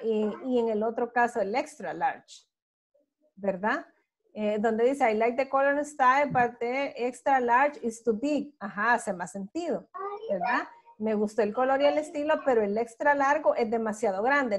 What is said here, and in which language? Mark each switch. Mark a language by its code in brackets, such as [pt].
[es] Y en el otro caso el extra large. ¿Verdad? Donde dice, [en] I like the color and style, but the extra large is too big. [es] Ajá, hace más sentido. ¿Verdad? Me gustó el color y el estilo, pero el extra largo es demasiado grande.